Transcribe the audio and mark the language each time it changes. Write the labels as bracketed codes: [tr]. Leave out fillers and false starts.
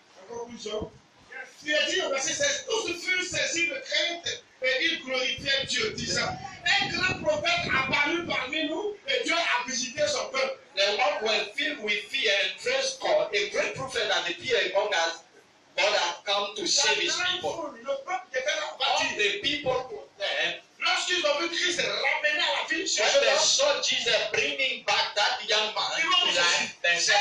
[fr] la conclusion, tu as dit au verset 16, tous furent saisis de crainte et ils glorifiaient Dieu, disant, un grand prophète apparut parmi nous et Dieu a visité son peuple. [en] The Lord was filled with fear and trust God, a great prophet that appeared among us. God has come to save his people. All the people there. [fr] Lorsqu'ils ont vu Christ ramener à la ville, [en] when they saw Jesus bringing back that young man,